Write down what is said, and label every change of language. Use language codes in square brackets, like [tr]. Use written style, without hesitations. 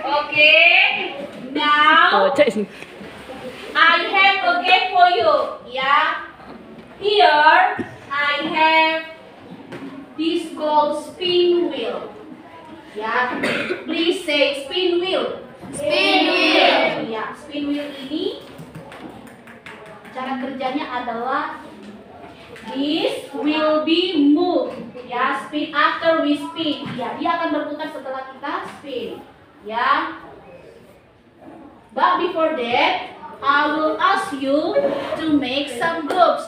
[en] Okay, now I have a game for you. Yeah, here I have this gold spin wheel. Yeah, please say spin wheel. Spin wheel. Yeah, spin wheel [id] ini cara kerjanya adalah [en] this will be moved. Yeah, spin after we spin. Yeah, [id] dia akan berputar setelah kita [en] spin. Yeah. But before that, I will ask you to make some groups.